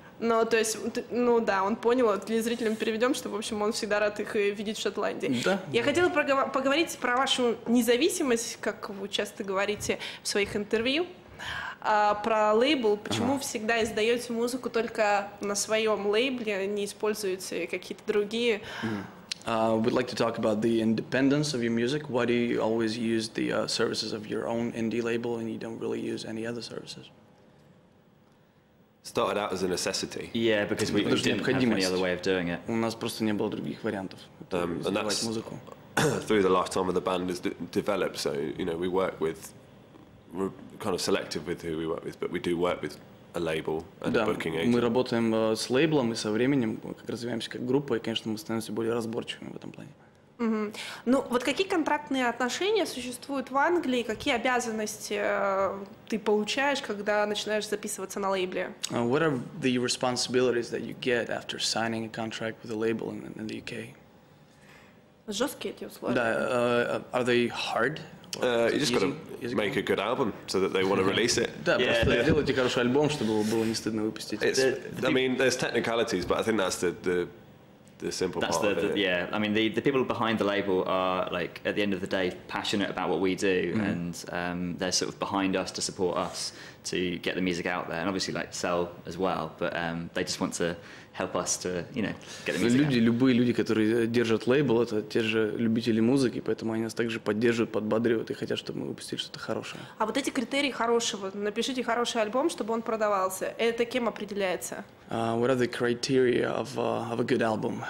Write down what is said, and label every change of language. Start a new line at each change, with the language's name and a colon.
Russian: Ну, то есть, ну да, он понял, телезрителям переведем, что, в общем, он всегда рад их видеть в Шотландии. Да. Я хотела поговорить про вашу независимость, как вы часто говорите в своих интервью, про лейбл. Почему ага. всегда издаете музыку только на своем лейбле, не используете какие-то другие?
English: We'd like to talk about the independence of your music. Why do you always use the services of your own indie label and you don't really use any other services? Started out as a necessity. Yeah, because we didn't have any other way of doing it.
Russian: У нас просто не было других вариантов.
English: And that's through the lifetime of the band has developed. So, you know, we work with, we're kind of selective with who we work with, but we do work with a label and
Russian: да,
English: a booking agent.
Russian: Мы работаем с лейблом и со временем как развиваемся как группа и, конечно, мы становимся более разборчивыми в этом плане. Mm-hmm. Ну, вот какие контрактные отношения существуют в Англии, какие обязанности ты получаешь, когда начинаешь записываться на лейбле?
English: What are the responsibilities that you get after signing a contract with a label in the UK?
Russian: Жесткие эти условия. Да,
English: are they hard? You just gotta make a good album so that they want to release it.
Russian: Да, просто сделайте хороший альбом, чтобы было не стыдно выпустить.
English: I mean, there's technicalities, but I think that's the simple that's part the, of it. Yeah, I mean, the people behind the label are, like, at the end of the day, passionate about what we do, mm-hmm. and they're sort of behind us to support us to get the music out there, and obviously, like, sell as well, but they just want to help us to, you know, get the music
Russian: люди,
English: out.
Russian: Любые люди, которые держат лейбл, это те же любители музыки, поэтому они нас также поддерживают, подбадривают и хотят, чтобы мы выпустили что-то хорошее. А вот эти критерии хорошего, напишите хороший альбом, чтобы он продавался, это кем определяется?
English: What are the criteria of a good album?